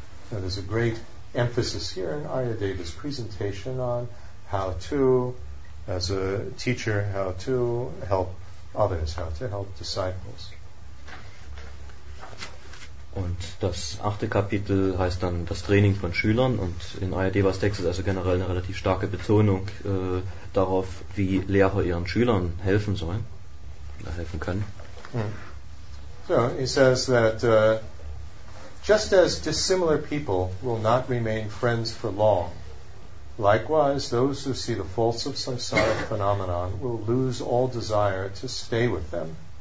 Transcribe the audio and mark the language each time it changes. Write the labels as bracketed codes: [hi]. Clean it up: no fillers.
[en] Now, there's a great emphasis here in Ayadeva's presentation on how to, as a teacher, how to help others, how to help disciples. [de] Und das achte Kapitel heißt dann das Training von Schülern, und in Ayadevas Text ist also generell eine relativ starke Betonung darauf, wie Lehrer ihren Schülern helfen sollen, helfen können. [en] So, he says that just as dissimilar people will not remain friends for long, likewise those who see the faults of samsaric phenomenon will lose all desire to stay with them.